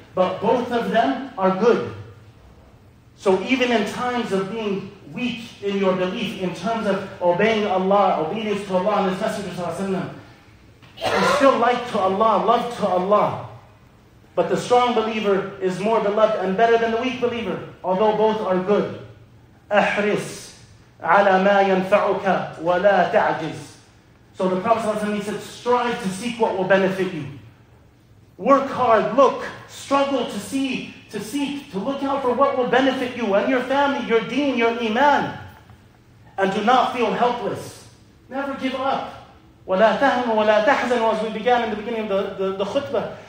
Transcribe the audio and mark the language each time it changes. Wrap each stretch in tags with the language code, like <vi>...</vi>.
<en>But both of them are good. So even in times of being weak in your belief, in terms of obeying Allah, obedience to Allah and His Messenger sallallahu alaihi wasallam, you still like to Allah, love to Allah. But the strong believer is more beloved and better than the weak believer, although both are good.</en> <ar>أحرص على ما ينفعك ولا تعجز.</ar> <en>So the Prophet ﷺ, he said, strive to seek what will benefit you. Work hard, look, struggle to see, to seek, to look out for what will benefit you and your family, your deen, your iman. And do not feel helpless. Never give up.</en> <ar>ولا تهم ولا تحزن,</ar> <en>as we began in the beginning of the khutbah.</en>